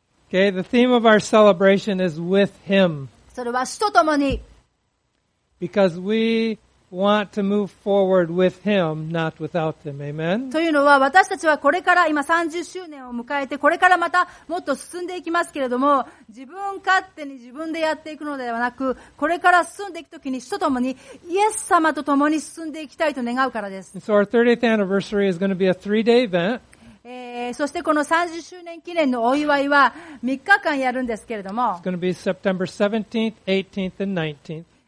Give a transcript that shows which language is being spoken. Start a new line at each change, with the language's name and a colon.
English: Okay, the theme of our celebration is with him.
Japanese: それは主と共に。
English: Because we want to move forward with him, not without him. Amen.
Japanese: というのは、私たちはこれから今30周年を迎えて、これからまたもっと進んでいきますけれども、自分勝手に自分でやっていくのではなく、これから進んでいくときに主と共に、イエス様と共に進んでいきたいと願うからです。
English: So our 30th anniversary is going to be a 3-day event.
Japanese: そしてこの30周年記念のお祝いは3日間やるんですけれども、
English: It's going to be September 17th, 18th and 19th.